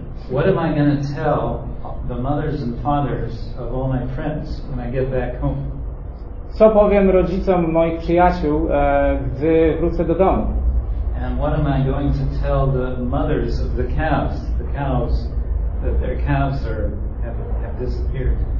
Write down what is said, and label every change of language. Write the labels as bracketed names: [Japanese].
[English] What am I going to tell the mothers and fathers of all my friends when I get back home? [Polish] Co powiem rodzicom moich przyjaciół, gdy wrócę do domu? [English] And what am I going to tell the mothers of the cows, that their calves have disappeared?